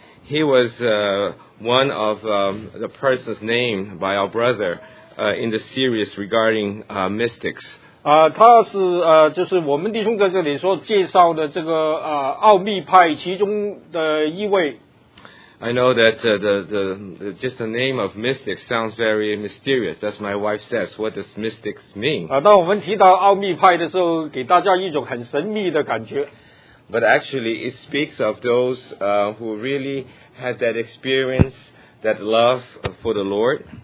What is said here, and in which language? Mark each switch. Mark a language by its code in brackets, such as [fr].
[en] He was one of the persons named by our brother in the series regarding mystics. [zh] 他是就是我们弟兄在这里所介绍的这个奥秘派其中的一位。 [en] I know that just the name of mystics sounds very mysterious. That's my wife says. What does mystics mean? [zh] 当我们提到奥秘派的时候，给大家一种很神秘的感觉。 [en] But actually, it speaks of those who really had that experience, that love for the Lord.